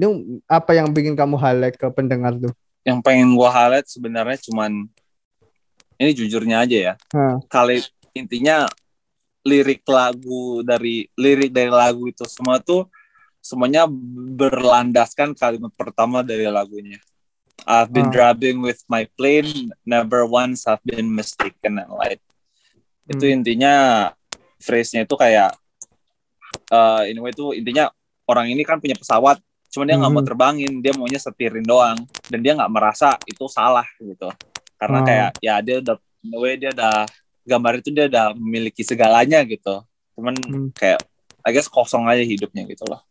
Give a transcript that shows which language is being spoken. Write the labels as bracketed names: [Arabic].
[Indonesian] Ini apa yang bikin kamu highlight ke pendengar tuh? Yang pengen gua highlight sebenarnya cuman ini jujurnya aja ya. Kali intinya lirik dari lagu itu semua tuh semuanya berlandaskan kalimat pertama dari lagunya. [English] I've been driving with my plane, never once I've been mistaken and lied. [Indonesian] Itu intinya phrase-nya itu kayak anyway itu intinya orang ini kan punya pesawat, cuman dia nggak mau terbangin, dia maunya setirin doang, dan dia nggak merasa itu salah gitu, karena kayak ya dia udah anyway dia udah gambar itu dia udah memiliki segalanya gitu, cuman kayak [English] I guess [Indonesian] kosong aja hidupnya gitu loh.